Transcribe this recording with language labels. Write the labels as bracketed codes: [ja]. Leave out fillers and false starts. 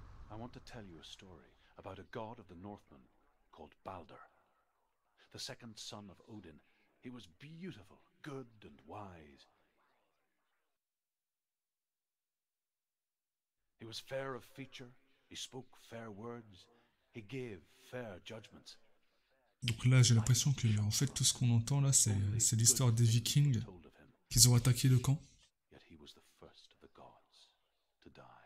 [en] I want to tell you a story about a god of the Northmen called Baldur. The second son of Odin. He was beautiful, good and wise. He was fair of feature, he spoke fair words, he gave fair judgments. [fr] Donc là, j'ai l'impression que en fait tout ce qu'on entend là c'est l'histoire des Vikings. Qu'ils ont attaqué le camp. [en] Yet he was the first of the gods to die.